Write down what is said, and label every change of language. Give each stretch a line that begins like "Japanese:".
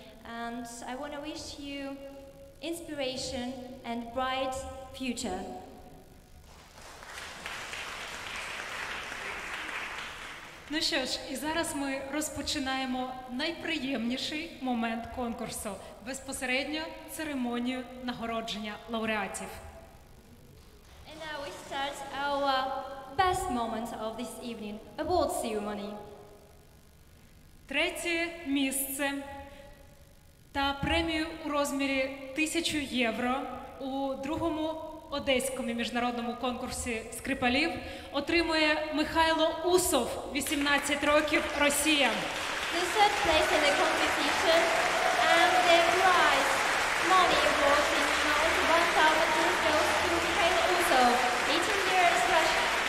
English: And I want to wish you inspiration and bright future.
Ukrainian: Ну що ж, і зараз ми розпочинаємо найприємніший момент конкурсу – безпосередньо церемонію нагородження лауреатів.
English: And now we start our best moment of this evening – award ceremony.
Ukrainian: Третє місце та премію у розмірі 1000 євро у другому одеському міжнародному конкурсі скрипалів отримує Михайло Усов, 18 років, Росія.
English: The third place in the competition and the prize money award in amount of 1,000 euros to Mikhail Usov, 18 years, Russia.